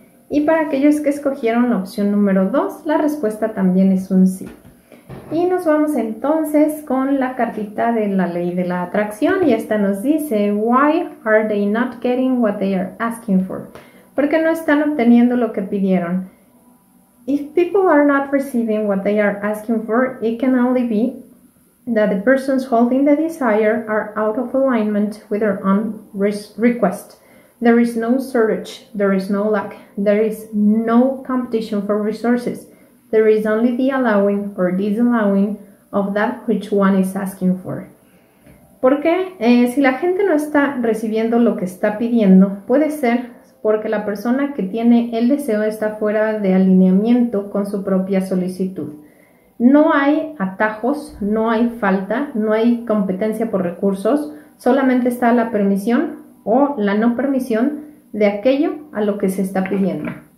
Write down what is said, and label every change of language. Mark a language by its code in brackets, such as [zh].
[es] Y para aquellos que escogieron la opción número dos, la respuesta también es un sí. Y nos vamos entonces con la cartita de la ley de la atracción y esta nos dice, [en] Why are they not getting what they are asking for? [es] ¿Por qué no están obteniendo lo que pidieron? [en] If people are not receiving what they are asking for, it can only be that the persons holding the desire are out of alignment with their own request. There is no shortage, there is no lack, there is no competition for resources. There is only the allowing or disallowing of that which one is asking for. [es] Porque si la gente no está recibiendo lo que está pidiendo, puede ser porque la persona que tiene el deseo está fuera de alineamiento con su propia solicitud. No hay atajos, no hay falta, no hay competencia por recursos, solamente está la permisión o la no permisión de aquello a lo que se está pidiendo.